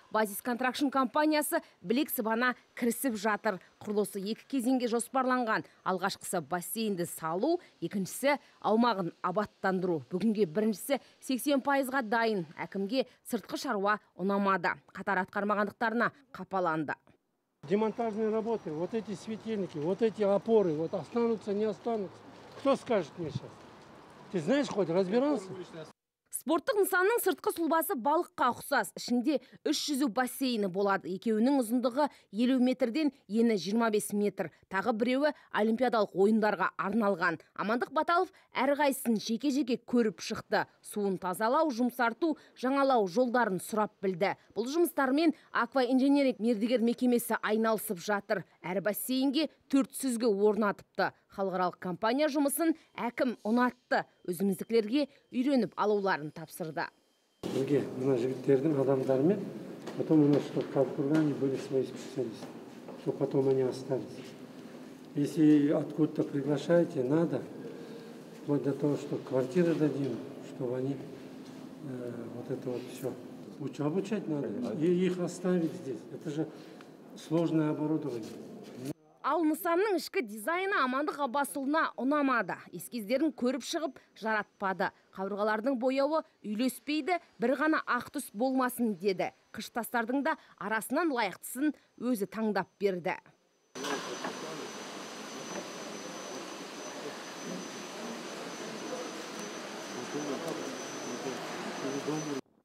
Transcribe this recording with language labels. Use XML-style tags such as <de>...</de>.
<kk>Базис контракшн компаниясы білек сыбана кірісіп жатыр. Құрылысы екі кезеңге жоспарланған. Алғашқысы бассейнді салу, екіншісі аумағын абаттандыру. Бүгінге біріншісі 80%-ға дайын. Әкімге сыртқы шаруа ұнамады. Қатар атқармағандықтарына қапаланды.</kk> <ru>Демонтажные работы, вот эти светильники, вот эти опоры, вот останутся, не останутся. Кто скажет мне сейчас? Ты знаешь хоть, разбирался?</ru> <kk>Спорттық нысанның сыртқы сұлбасы балыққа ұқсас. Ішінде 300 бассейні болады. Екеуінің ұзындығы 50 метрден ені 25 метр. Тағы біреуі олимпиадалық ойындарға арналған. Амандық Баталов әрғайсын жеке-жеке көріп шықты. Суын тазалау, жұмсарту, жаңалау жолдарын сұрап білді. Бұл жұмыстармен акваинженерлік мердігер мекемесі айналысып жатыр. Әр бассейнге 4 сүзгі орнатыпты. Халықаралық компания жұмысын әкім ұнатты. Өзіміздіклерге үйреніп алуларын тапсырды. Бізге мына жігіттердің адамдарымен,</kk> <ru>потом у нас что калкурганы были свои специалисты, что потом они остались. Если откуда-то приглашаете, надо, вот для того, что квартиры дадим, чтобы они вот это вот все обучать надо. И их оставить здесь. Это же сложное оборудование.</ru> <kk>Ал нысанның ішкі дизайны Амандық Абасұлына ұнамады. Эскиздерін көріп шығып, жаратпады. Қабырғалардың бояуы үйлеспейді, бір ғана ақ түс болмасын деді. Қыштастардың да арасынан лайықтысын өзі таңдап берді. Құрғалардың</kk>